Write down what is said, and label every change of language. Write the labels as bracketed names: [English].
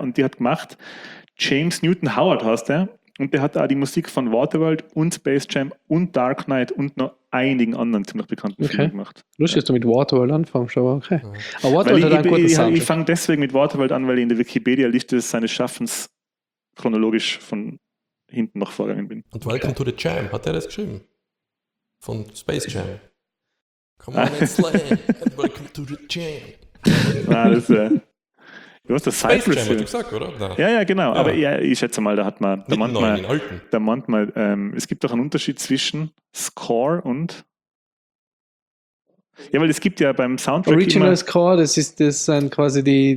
[German] Und die hat gemacht, James Newton Howard heißt er. Und der hat auch die Musik von Waterworld und Space Jam und Dark Knight und noch einigen anderen ziemlich bekannten Filmen gemacht. Lustig, dass du mit Waterworld anfängst, aber okay. Aber Waterworld hat einen guten Soundtrack. Ich fange deswegen mit Waterworld an, weil ich in der Wikipedia-Liste seines Schaffens chronologisch von hinten nach vorgegangen bin. Und Welcome to the Jam, hat er das geschrieben? Von Space Jam. [English] Come on, let's play and welcome to the Jam. [German] Nein, das du hast das Space Cypress Jam, hat gesagt, oder? Ja, ja, genau. Ja. Aber ja, ich schätze mal, da hat man... Da meint man, da meint man, es gibt doch einen Unterschied zwischen Score und... Ja, weil es gibt ja beim Soundtrack Original immer Score, das sind quasi die...